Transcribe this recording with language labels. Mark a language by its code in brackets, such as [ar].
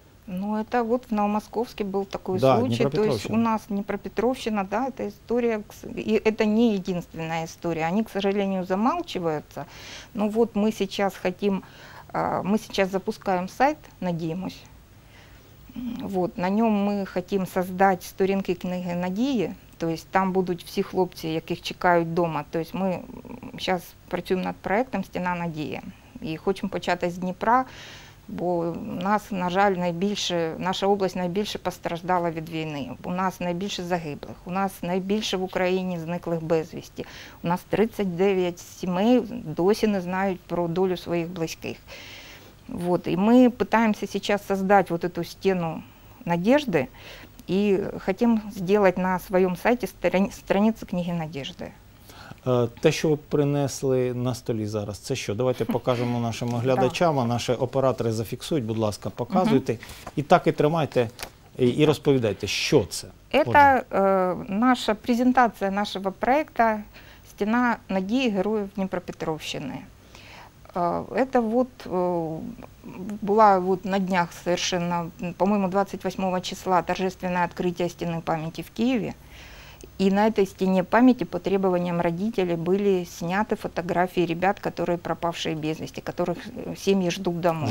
[ru] Ну это вот в Новомосковске был такой случай, то есть у нас Днепропетровщина, да, это история, и это не единственная история, они, к сожалению, замалчиваются, но вот мы сейчас хотим, мы сейчас запускаем сайт, надеемся. Вот, на нем мы хотим создать [uk] сторінки книги надії, [ru] то есть [uk] там будуть всі хлопці, яких чекають вдома. [ru] То есть [uk] ми зараз працюємо над проектом «Стіна надії» і хочемо почати з Дніпра, бо нас, на жаль, найбільше, наша область найбільше постраждала від війни. У нас найбільше загиблих, у нас найбільше в Україні зниклих безвісті. У нас 39 сімей досі не знають про долю своїх близьких. [ru] Вот, и мы пытаемся сейчас создать вот эту стену надежды и хотим сделать на своем сайте страницу книги надежды. [uk] Те, що ви принесли на столі зараз, це що? Давайте покажемо нашим глядачам, а наші оператори зафіксують, будь ласка, показуйте. І так і тримайте, і розповідайте, що це. [ru] Это [uk] наша презентація нашого проекту «Стіна надії героїв Дніпропетровщини». [ru] Это вот была вот на днях совершенно, по-моему, 28 числа торжественное открытие стены памяти в Киеве. И на этой стене памяти по требованиям родителей были сняты фотографии ребят, которые пропавшие без вести, которых семьи ждут домой.